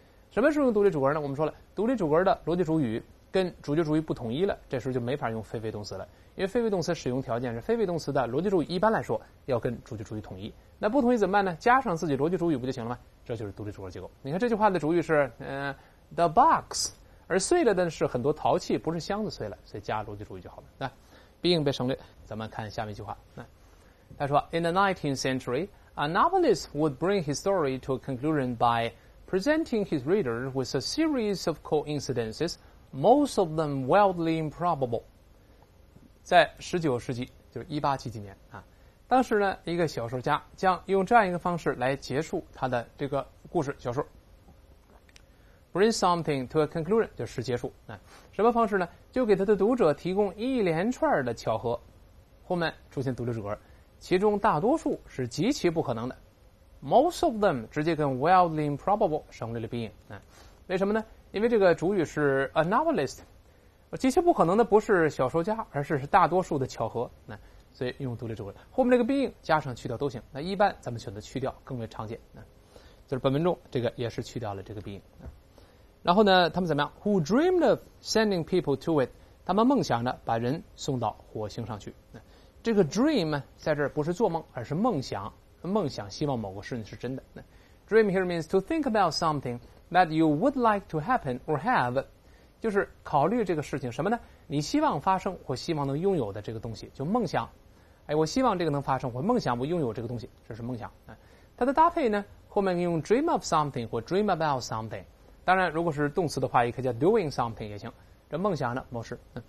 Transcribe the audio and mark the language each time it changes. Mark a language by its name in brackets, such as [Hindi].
[Chinese] 什么时候用独立主格呢？我们说了，独立主格的逻辑主语跟主角主语不统一了，这时候就没法用非谓动词了，因为非谓动词使用条件是非谓动词的逻辑主语一般来说要跟主角主语统一，那不统一怎么办呢？加上自己逻辑主语不就行了吗？这就是独立主格结构。你看这句话的主语是the box，而碎了的是很多陶器，不是箱子碎了，所以加逻辑主语就好了。那 being 被省略，咱们看下面一句话。那他说 [English] ，In the 19th century, a novelist would bring his story to a conclusion by presenting his reader with a series of coincidences, most of them wildly improbable. [Chinese] 在19世纪，就是1870年啊，当时呢，一个小说家将用这样一个方式来结束他的这个故事小说。 [English] Bring something to a conclusion [Chinese] 就是结束，什么方式呢？就给他的读者提供一连串的巧合，后面出现独立主格，其中大多数是极其不可能的。 [English] Most of them [Chinese] 直接跟 [English] wildly improbable [Chinese] 省略了 being， 为什么呢？因为这个主语是 a novelist， 极其不可能的不是小说家，而是大多数的巧合，所以用独立主格，后面这个 being 加上去掉都行。那一般咱们选择去掉更为常见，就是本文中这个也是去掉了这个 being。然后呢，他们怎么样 [English] ？Who dreamed of sending people to it？ [Chinese] 他们梦想着把人送到火星上去。这个 dream 在这儿不是做梦，而是梦想。梦想，希望某个事情是真的。 [English] Dream here means to think about something that you would like to happen or have， [Chinese] 就是考虑这个事情什么呢？你希望发生或希望能拥有的这个东西，就梦想。哎，我希望这个能发生，我梦想我拥有这个东西，这是梦想。它的搭配呢，后面用 [English] dream of something [Chinese] 或 [English] dream about something。 [Chinese] 当然，如果是动词的话，也可以叫 [English] doing something [Chinese] 也行。这梦想呢，某事。